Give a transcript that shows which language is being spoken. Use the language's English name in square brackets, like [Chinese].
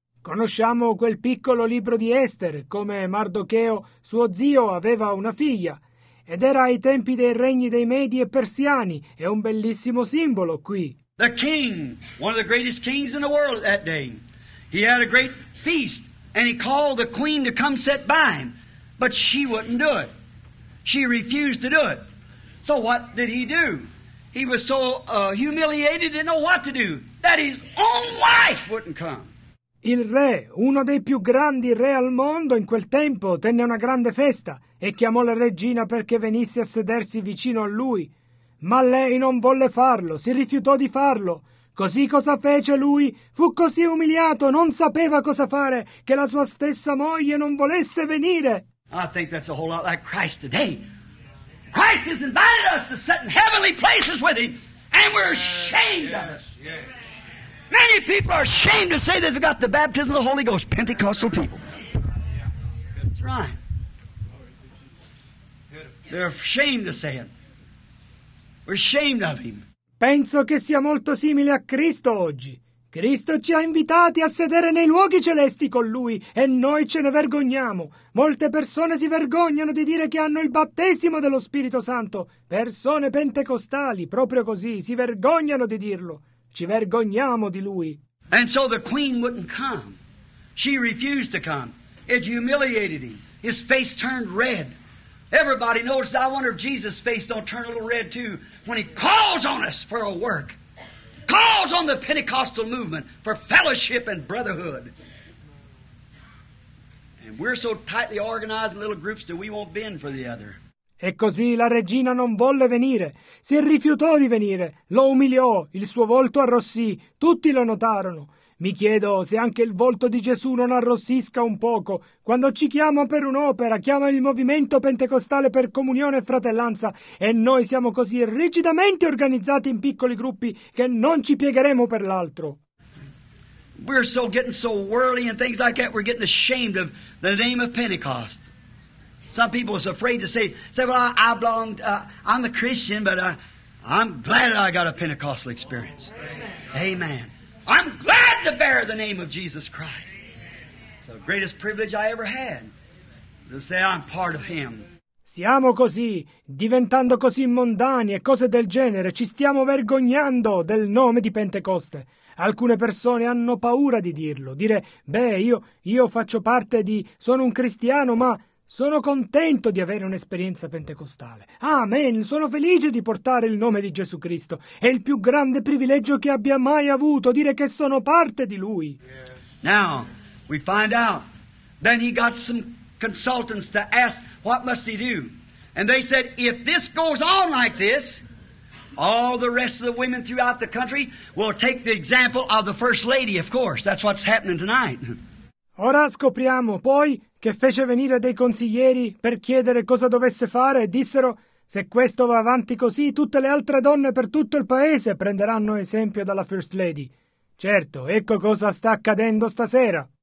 [Italian] Conosciamo quel piccolo libro di Esther, come Mardocheo, suo zio, aveva una figlia. Ed era ai tempi dei regni dei Medi e Persiani, è un bellissimo simbolo qui. [English] The king, one of the greatest kings in the world at that day, he had a great feast, and he called the queen to come sit by him. But she wouldn't do it. She refused to do it. So what did he do? He was so humiliated, didn't know what to do, that his own wife wouldn't come. [Italian] Il re, uno dei più grandi re al mondo in quel tempo, tenne una grande festa e chiamò la regina perché venisse a sedersi vicino a lui. Ma lei non volle farlo, si rifiutò di farlo. Così cosa fece lui? Fu così umiliato, non sapeva cosa fare, che la sua stessa moglie non volesse venire. [English] I think that's a whole lot like Christ today. Christ has invited us to sit in heavenly places with him, and we're ashamed of it. Many people are ashamed to say they've got the baptism of the Holy Ghost, Pentecostal people. That's right. They're ashamed to say it. We're ashamed of him. [Italian] Penso che sia molto simile a Cristo oggi. Cristo ci ha invitati a sedere nei luoghi celesti con Lui e noi ce ne vergogniamo. Molte persone si vergognano di dire che hanno il battesimo dello Spirito Santo. Persone pentecostali, proprio così, si vergognano di dirlo. Ci vergogniamo di Lui. [English] And so the queen wouldn't come. She refused to come. It humiliated him. His face turned red. Everybody knows that. I wonder if Jesus' face don't turn a little red too when he calls on us for a work. Calls on the Pentecostal movement for fellowship and brotherhood. And we're so tightly organized in little groups that we won't bend for the other. [Italian] E così la regina non volle venire. Si rifiutò di venire. Lo umiliò. Il suo volto arrossì. Tutti lo notarono. Mi chiedo se anche il volto di Gesù non arrossisca un poco. Quando ci chiama per un'opera, chiama il movimento pentecostale per comunione e fratellanza, e noi siamo così rigidamente organizzati in piccoli gruppi che non ci piegheremo per l'altro. [English] We're so getting so worldly and things like that, we're getting ashamed of the name of Pentecost. Some people are afraid to say, well, I'm a Christian, but I'm glad I got a Pentecostal experience. Amen. I'm glad to bear the name of Jesus Christ. It's the greatest privilege I ever had, to say I'm part of Him. [Italian] Siamo così, diventando così mondani e cose del genere, ci stiamo vergognando del nome di Pentecoste. Alcune persone hanno paura di dirlo, dire, beh, io faccio parte di, sono un cristiano, ma sono contento di avere un'esperienza pentecostale. Amen. Sono felice di portare il nome di Gesù Cristo. È il più grande privilegio che abbia mai avuto, dire che sono parte di Lui. [English] Now, we find out. Then he got some consultants to ask, what must he do? And they said, if this goes on like this, all the rest of the women throughout the country will take the example of the First Lady, of course. That's what's happening tonight. [Italian] Ora scopriamo, poi, che fece venire dei consiglieri per chiedere cosa dovesse fare e dissero, se questo va avanti così, tutte le altre donne per tutto il paese prenderanno esempio dalla First Lady. Certo, ecco cosa sta accadendo stasera.